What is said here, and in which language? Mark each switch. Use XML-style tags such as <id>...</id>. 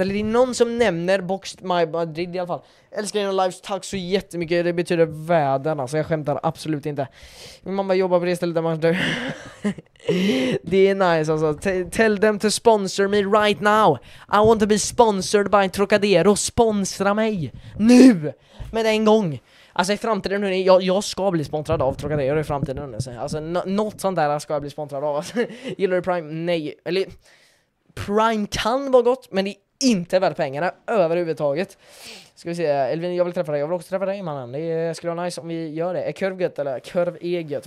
<sv>Eller det är någon som nämner Boxed by Madrid i alla fall. Älskar dina lives. Tack så jättemycket. Det betyder världen. Alltså, jag skämtar absolut inte. Min mamma jobbar på det stället där man dör. Det är nice alltså.</sv> <en>Tell them to sponsor me right now. I want to be sponsored by Trocadero.</en> <sv>Sponsra mig nu. Med en gång. Alltså i framtiden, hörni, jag ska bli sponsrad av Trocadero i framtiden. Alltså något sånt där ska jag bli sponsrad av. Gillar du Prime? Nej. Eller Prime kan vara gott, men det är inte värt pengarna överhuvudtaget. Ska vi se, Elvin, jag vill träffa dig. Jag vill också träffa dig, mannen. Det skulle vara nice om vi gör det. Är korv gött eller? Korv är gött.</sv>